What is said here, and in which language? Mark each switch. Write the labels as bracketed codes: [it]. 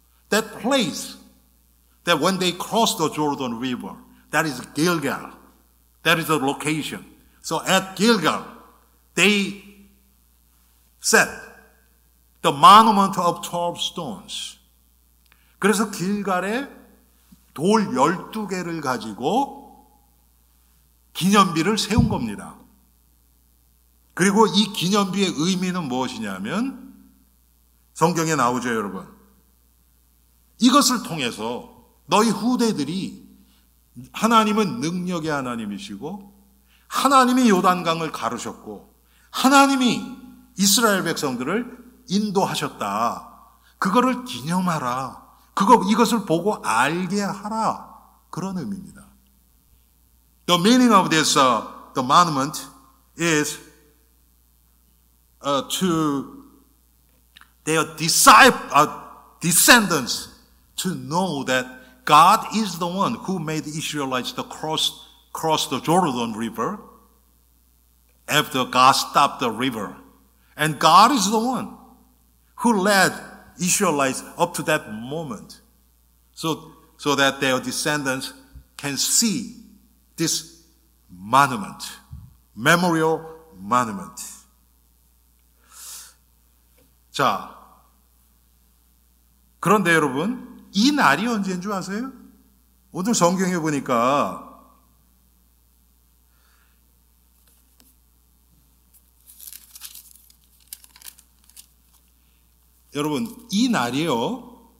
[en] That place that when they crossed the Jordan River, that is Gilgal. That is the location. So at Gilgal, they set the monument of 12 stones. [ko] 그래서 길갈에 돌 12개를 가지고 기념비를 세운 겁니다. 그리고 이 기념비의 의미는 무엇이냐면 성경에 나오죠 여러분. 이것을 통해서 너희 후대들이 하나님은 능력의 하나님이시고 하나님이 요단강을 가르셨고 하나님이 이스라엘 백성들을 인도하셨다. 그거를 기념하라. 그거 이것을 보고 알게 하라. 그런 의미입니다. [en] The meaning of this the monument is to their disciple descendants to know that God is the one who made the Israelites to cross the Jordan River after God stopped the river. And God is the one who led Israelites up to that moment so that their descendants can see this monument, memorial monument. [ko] 자, 그런데 여러분, 이 날이 언제인 줄 아세요? 오늘 성경에 보니까 여러분, 이 날이요.